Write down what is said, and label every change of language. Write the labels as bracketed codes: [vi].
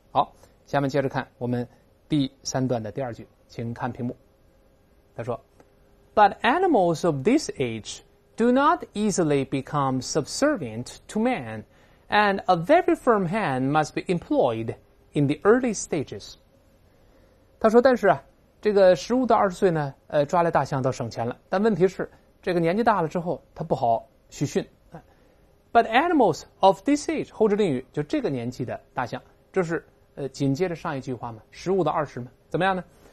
[zh] 好，下面接着看我们第三段的第二句，请看屏幕。他说 [en] But animals of this age do not easily become subservient to man, and a very firm hand must be employed in the early stages。 [zh] 他说但是啊，这个15到20岁呢，抓来大象倒省钱了，但问题是这个年纪大了之后他不好去训。 [en] But animals of this age， [zh] 后置定语，就这个年纪的大象，这是紧接着上一句话嘛，15到20嘛，怎么样呢？